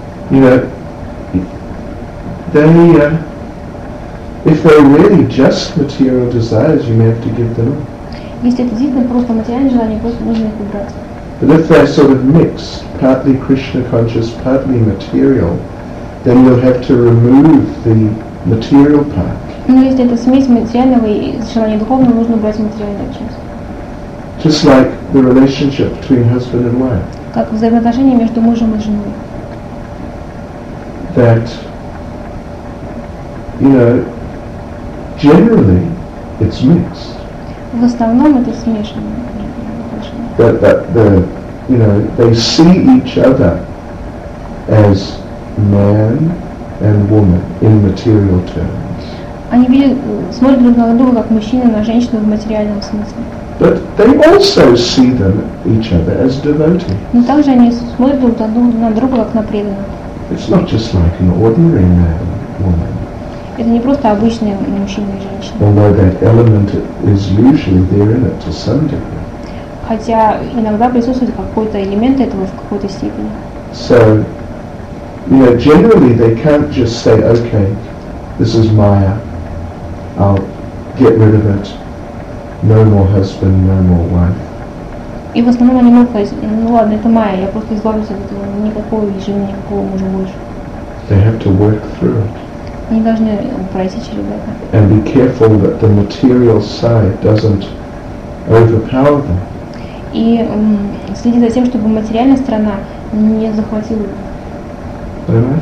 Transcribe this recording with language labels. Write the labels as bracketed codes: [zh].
[en] You know, if they're really just material desires, you may have to give them up. [ru] Если это действительно просто материальные желания, просто нужно их убрать. [en] But if they're sort of mixed, partly Krishna conscious, partly material, then you'll have to remove the material part. [ru] Но если это смесь материального и желания духовного, нужно убрать материальную часть. [en] Just like the relationship between husband and wife. [ru] Как взаимоотношения между мужем и женой. [en] That, you know, generally it's mixed. [ru] В основном это смешанное. [en] That you know, they see each other as man and woman in material terms. [ru] Они смотрят друг на друга как мужчина на женщину в материальном смысле. [en] But they also see them each other as devotees. [ru] Но также они смотрят друг на друга как на преданных. [en] It's not just like an ordinary man, woman. [ru] Это не просто обычные мужчины и женщины. [en] Although that element is usually there in it to some degree. [ru] хотя иногда присутствует какой-то элемент этого в какой-то степени. [en] So, you know, generally they can't just say, okay, this is Maya, I'll get rid of it, no more husband, no more wife. [ru] И в основном они могут сказать, ну ладно, это Майя, я просто избавлюсь от этого, никакого режима, никакого мужа больше. [en] They have to work through it. [ru] Они должны пройти через это. [en] And be careful that the material side doesn't overpower them. [ru] И следить за тем, чтобы материальная сторона не захватила их.